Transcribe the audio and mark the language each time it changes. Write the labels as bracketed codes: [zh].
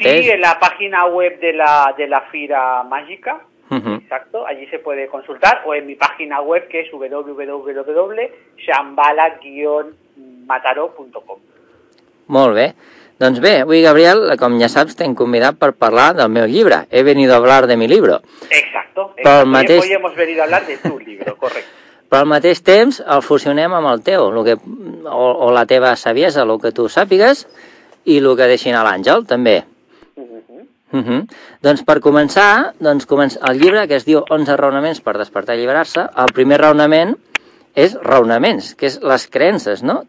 [ca] és? Sí, en la pàgina web de la Fira Mágica. [es] Exacto, allí se puede consultar o en mi página web que es www.shambhala-mataró.com. [ca] Molt bé, doncs bé, avui Gabriel, com ja saps, t'he convidat per parlar del meu llibre. [es] He venido a hablar de mi libro. Exacto, exacto. Mateix... hoy hemos venido a hablar de tu libro, correcto. [ca] Però al mateix temps el fusionem amb el teu, o la teva saviesa, el que tu sàpigues, i el que deixin a l'Àngel també. Doncs per començar, el llibre que es diu 11 raonaments per despertar i alliberar-se, el primer raonament és raonaments, que és les creences, no?